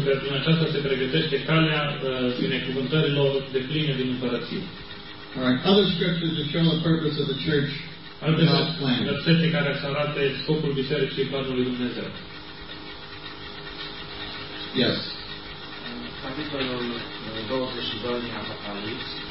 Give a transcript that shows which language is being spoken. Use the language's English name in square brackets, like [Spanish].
[Romanian] că prin aceasta se pregătește calea binecuvântărilor de pline din împărăție. [English] Other scriptures that show the purpose of the church. [Romanian] Alte versete care să arate scopul bisericii planului Dumnezeu. [English] Yes. [Romanian] Capitolul 22 din Apocalipsa.